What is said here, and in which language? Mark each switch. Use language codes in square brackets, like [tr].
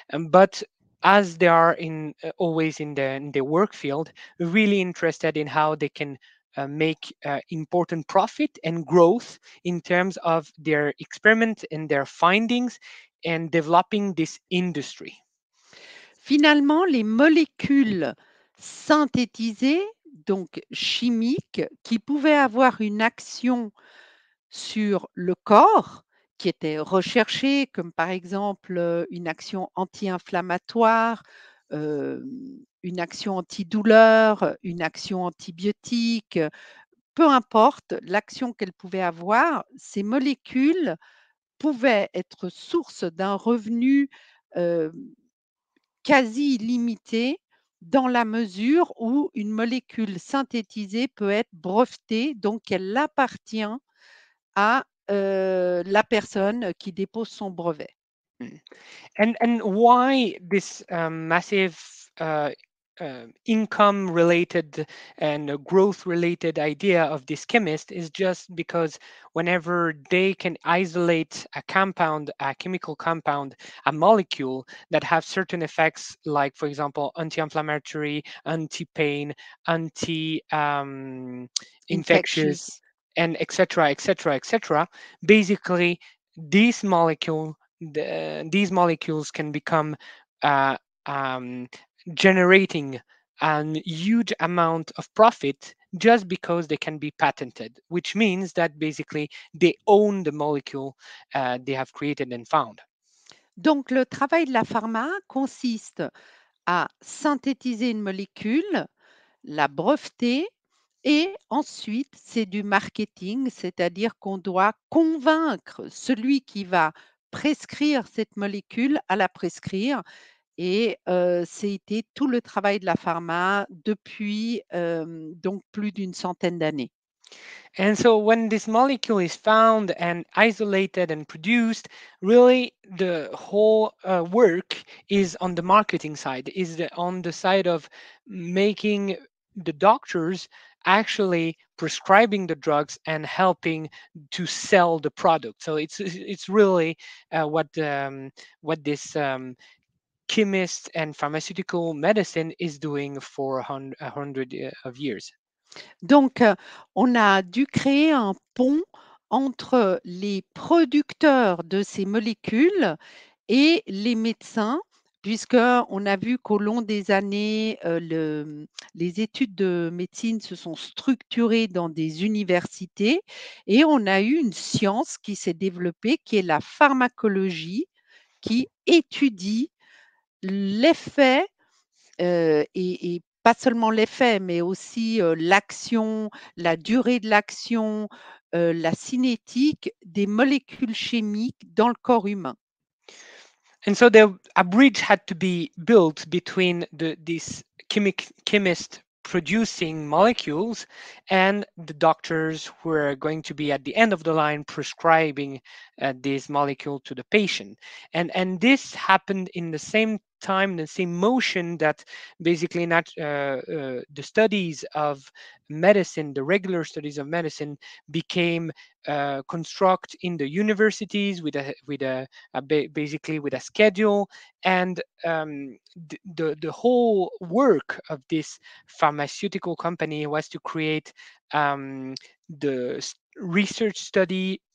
[en] But as they are always in their work field, really interested in how they can make important profit and growth in terms of their experiment and their findings and developing this industry. [fr] Finalement, les molécules synthétisées, donc chimiques, qui pouvaient avoir une action sur le corps, qui étaient recherchées, comme par exemple une action anti-inflammatoire, une action antidouleur, une action antibiotique, peu importe l'action qu'elles pouvaient avoir, ces molécules pouvaient être source d'un revenu quasi illimité dans la mesure où une molécule synthétisée peut être brevetée, donc elle appartient à la personne qui dépose son brevet. [en] And why this massive income related and growth related idea of this chemist is just because whenever they can isolate a compound, a chemical compound, a molecule that have certain effects, like for example, anti-inflammatory, anti-pain, Infectious. anti-infectious, and etc., etc., etc., basically this molecule. These molecules can become generating a huge amount of profit just because they can be patented, which means that basically they own the molecule they have created and found. [fr] Donc, le travail de la pharma consiste à synthétiser une molécule, la breveter. Et ensuite, c'est du marketing, c'est-à-dire qu'on doit convaincre celui qui va prescrire cette molécule à la prescrire. Et c'était tout le travail de la pharma depuis donc plus d'une centaine d'années. [en] And so when this molecule is found and isolated and produced, really the whole work is on the marketing side, is on the side of making the doctors actually prescribing the drugs and helping to sell the product. So it's really what this chemist and pharmaceutical medicine is doing for a hundred of years. [fr] Donc, on a dû créer un pont entre les producteurs de ces molécules et les médecins, puisqu'on a vu qu'au long des années, les études de médecine se sont structurées dans des universités et on a eu une science qui s'est développée, qui est la pharmacologie, qui étudie l'effet et pas seulement l'effet, mais aussi l'action, la durée de l'action, la cinétique des molécules chimiques dans le corps humain. [en] And so a bridge had to be built between this chemist producing molecules and the doctors who are going to be at the end of the line prescribing this molecule to the patient. And this happened in the same time, the same motion that basically the studies of medicine, the regular studies of medicine, became construct in the universities with a basically with a schedule, and the whole work of this pharmaceutical company was to create the research study.